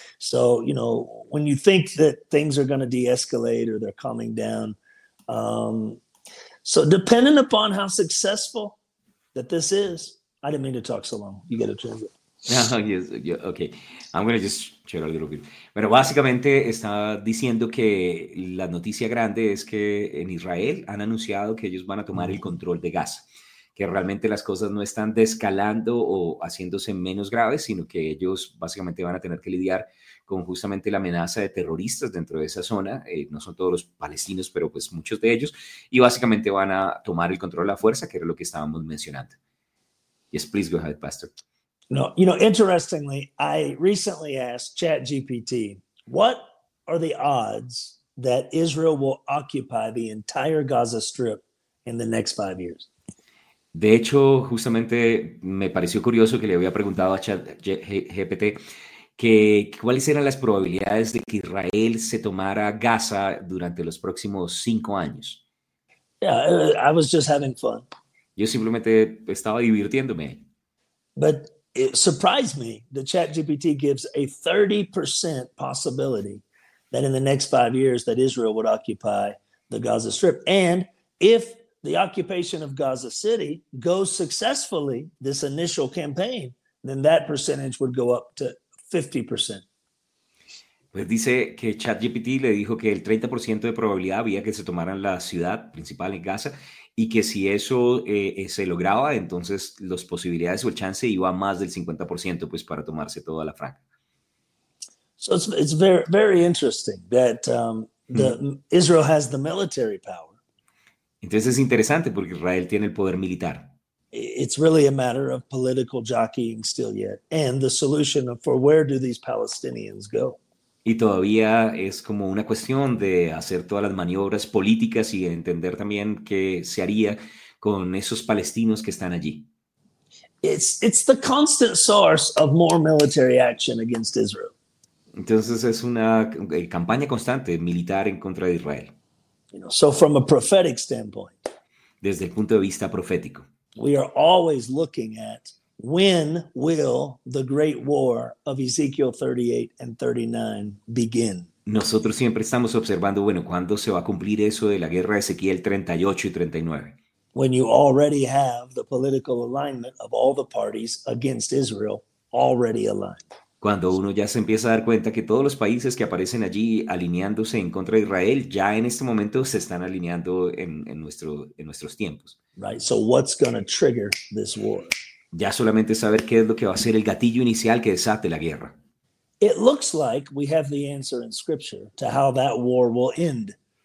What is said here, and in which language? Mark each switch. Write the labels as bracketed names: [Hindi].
[English] So, you know, when you think that things are going to de-escalate or they're calming down. So depending upon how successful that this is, I didn't mean to talk so long. You get a chance. Okay, I'm going to just share a little bit. [Spanish] Bueno, básicamente está diciendo que la noticia grande es que en Israel han anunciado que ellos van a tomar el control de Gaza, que realmente las cosas no están descalando o haciéndose menos graves, sino que ellos básicamente van a tener que lidiar con justamente la amenaza de terroristas dentro de esa zona. No son todos los palestinos, pero pues muchos de ellos, y básicamente van a tomar el control de la fuerza, que era lo que estábamos mencionando. [English] Yes, please go ahead, Pastor. No, you know, interestingly, I recently asked ChatGPT, what are the odds that Israel will occupy the entire Gaza Strip in the next 5 years? [Spanish] De hecho, justamente me pareció curioso que le había preguntado a ChatGPT que cuáles eran las probabilidades de que Israel se tomara Gaza durante los próximos 5 años. [English] Yeah, I was just having fun. [Spanish] Yo simplemente estaba divirtiéndome. [English] But it surprised me that ChatGPT gives a 30% possibility that in the next 5 years that Israel would occupy the Gaza Strip. And if the occupation of Gaza City goes successfully, this initial campaign, then that percentage would go up to 50%. [Spanish] Pues dice que ChatGPT le dijo que el 30% de probabilidad había que se tomaran la ciudad principal en Gaza y que si eso se lograba, entonces las posibilidades o el chance iba a más del 50% pues, para tomarse toda la franja. [English] So it's very, very interesting that Israel has the military power. [Spanish] Entonces es interesante porque Israel tiene el poder militar. [English] It's really a matter of political jockeying still yet and the solution of for where do these Palestinians go. [Spanish] Y todavía es como una cuestión de hacer todas las maniobras políticas y entender también qué se haría con esos palestinos que están allí. [English] It's the constant source of more military action against Israel. [Spanish] Entonces es una campaña constante militar en contra de Israel. [English] You know, so from a prophetic standpoint, [Spanish] desde el punto de vista profético, [English] we are always looking at when will the great war of Ezekiel 38 and 39 begin? [Spanish] Nosotros siempre estamos observando, bueno, ¿cuándo se va a cumplir eso de la guerra de Ezequiel 38 y 39? [English] When you already have the political alignment of all the parties against Israel already aligned. [Spanish] Cuando uno ya se empieza a dar cuenta que todos los países que aparecen allí alineándose en contra de Israel ya en este momento se están alineando en nuestros tiempos. [English] Right, so what's going to trigger this war? [Spanish] Ya solamente saber qué es lo que va a ser el gatillo inicial que desate la guerra. [English] It looks like we have the answer in scripture to how that war will end.